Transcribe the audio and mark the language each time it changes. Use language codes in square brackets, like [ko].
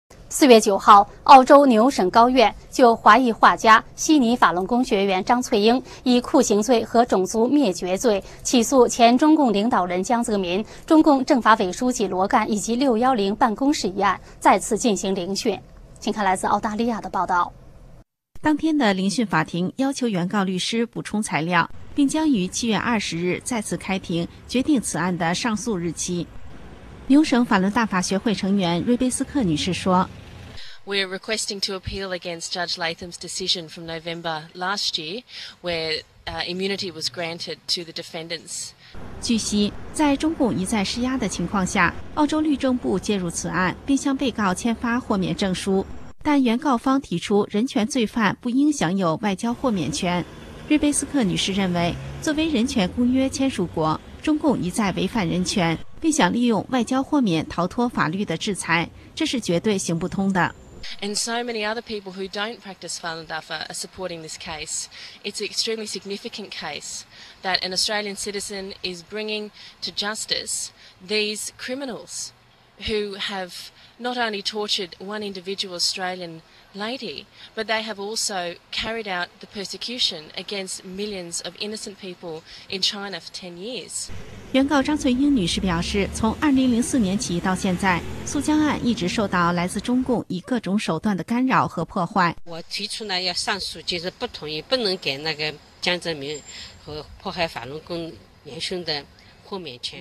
[zh] 4月9号，澳洲纽省高院就华裔画家悉尼法轮功学员张翠英以酷刑罪和种族灭绝罪起诉前中共领导人江泽民、中共政法委书记罗干以及610办公室一案再次进行聆讯。请看来自澳大利亚的报道。当天的聆讯法庭要求原告律师补充材料，并将于7月20日再次开庭，决定此案的上诉日期。纽省法轮大法学会成员瑞贝斯克女士说， [en] We are requesting to appeal against Judge Latham's decision from November last year where immunity was granted to the defendants. [zh] 据悉，在中共一再施压的情况下，澳洲律政部介入此案，并向被告签发豁免证书，但原告方提出人权罪犯不应享有外交豁免权。瑞贝斯克女士认为，作为人权公约签署国，中共一再违反人权，并想利用外交豁免逃脱法律的制裁，这是绝对行不通的。 [en] And so many other people who don't practice Falun Dafa are supporting this case. It's an extremely significant case that an Australian citizen is bringing to justice these criminals who have not only tortured one individual Australian lady, but they have also carried out the persecution against millions of innocent people in China for 10 years. [zh] 原告张翠英女士表示，从2004年起到现在，诉江案一直受到来自中共以各种手段的干扰和破坏。我提出呢要上诉，就是不同意，不能给那个江泽民和迫害法轮功元凶的豁免权。